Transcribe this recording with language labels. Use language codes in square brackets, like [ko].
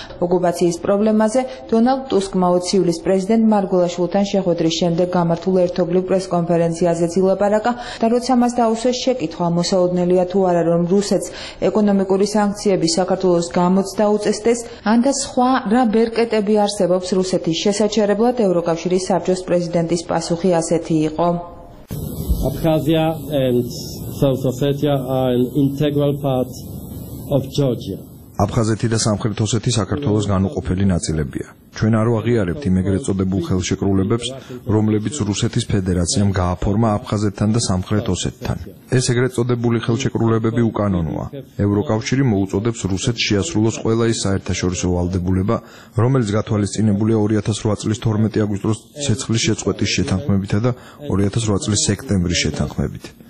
[ka] ოკუპაციის პრობლემაზე დონალდ ტუსკმა 20 ივლისს პრეზიდენტ მარგულაშვილთან შეხვედრის შემდეგ გამართულ ერთობლივ პრესკონფერენციაზე ილაპარაკა და როცა მას დაუსვეს შეკითხვა, მოსაოდნელია თუ არა, რომ რუსეთს ეკონომიკური სანქციები საქართველოს გამოც დაუწესდეს, ან და სხვა რა ბერკეტები არსებობს რუსეთის შესაჩერებლად, ევროკავშირის საბჭოს პრეზიდენტის პასუხი ასეთი იყო. [en] აფხაზია and South Ossetia are an integral part of Georgia. [ka] აფხაზეთი და სამხრეთ ოსეთი საქართველოს განუყოფელი ნაწილებია. ჩვენ არ ვაღიარებთ იმეგრეთ წოდებულ ხელშეკრულებებს, რომლებიც რუსეთის ფედერაციამ გააფორმა აფხაზეთთან და სამხრეთ ოსეთთან. ეს ეგრეთ წოდებული ხელშეკრულებები უკანონოა. ევროკავშირი მოუწოდებს რუსეთს შეასრულოს ყველა ის საერთაშორისო ვალდებულება, რომელიც გათვალისწინებულია 2008 წლის 12 აგვისტოს ცეცხლის შეწყვეტის შეთანხმებითა და 2008 წლის სექტემბრის შეთანხმებით.